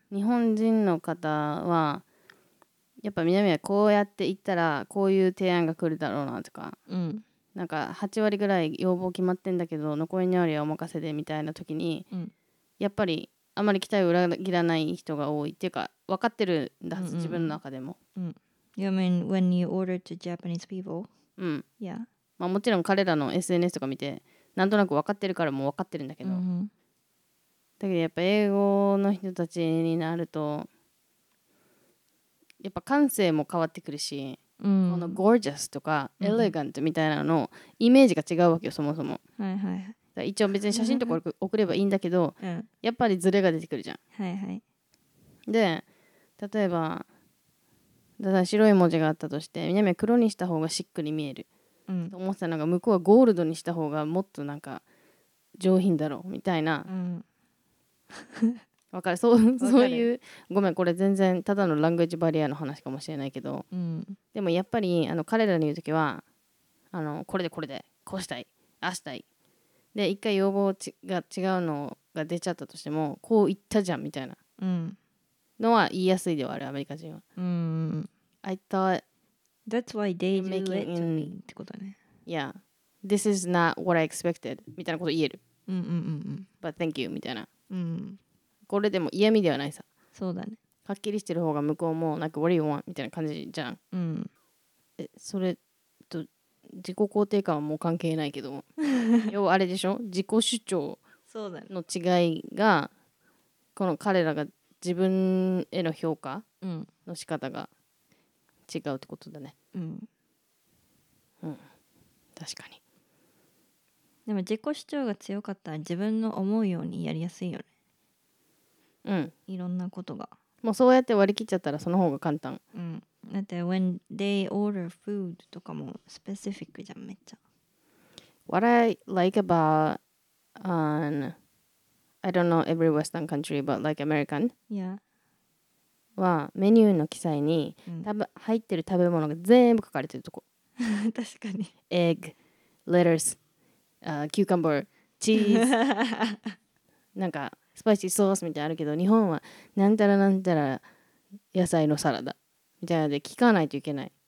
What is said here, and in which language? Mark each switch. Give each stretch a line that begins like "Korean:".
Japanese: 日本人の方はやっぱ南はこうやって言ったらこういう提案が来るだろうなとか、
English: mm-hmm.
Japanese: なんか8割ぐらい要望決まってんだけど残りにありはお任せでみたいな時に、うん、やっぱりあまり期待を裏切らない人が多いっていうか分かってるんだはず、うんうん、自分の中でも、
English: うん、You mean when you order to Japanese people?
Japanese: うん、
English: yeah.
Japanese: まあ、もちろん彼らの SNS とか見てなんとなく分かってるからも分かってるんだけど、うん、だけどやっぱ英語の人たちになるとやっぱ感性も変わってくるしうん、このゴージャスとかエレガントみたいなのイメージが違うわけよ、うん、そもそも、はいはい、だから一応別に写真とか送ればいいんだけど、うん、やっぱりズレが出てくるじゃん、はいはい、で例えばだ白い文字があったとして南は黒にした方がシックに見える、うん、と思ってたのが向こうはゴールドにした方がもっとなんか上品だろうみたいな、うんわかる、そういうごめんこれ全然ただのラングエッジバリアの話かもしれないけど、うん、でもやっぱりあの彼らに言うときはあのこれでこれでこうしたいあしたいで一回要望が違うのが出ちゃったとしてもこう言ったじゃんみたいなのは言いやすいではあるアメリカ人は、うん、
English: I thought That's why they do it to me
Japanese: ってことね
English: Yeah This is not what I expected
Japanese: みたいなこと言える、うんうんうんうん、
English: But thank you
Japanese: みたいな、うんこれでも嫌味ではないさそうだねはっきりしてる方が向こうもなんか
English: What do you want?
Japanese: みたいな感じじゃんうんそれと自己肯定感はもう関係ないけど要はあれでしょ自己主張の違いが、ね、この彼らが自分への評価の仕方が違うってことだねうんうん確かにでも自己主張が強かったら自分の思うようにやりやすいよねうん、いろんなことがもうそうやって割り切っちゃったらその方が簡単、うん、だって
English: When they order food
Japanese: とかもスペシフィックじゃんめっちゃ
English: What I like about I don't know every western country but like American yeah
Japanese: はメニューの記載に、うん、入ってる食べ物が全部書かれてるとこ確かに
English: Egg Lettuce、Cucumber Cheese
Japanese: なんかスパイシーソースみたいなあるけど日本はなんたらなんたら野菜のサラダみたいなので聞かないといけない、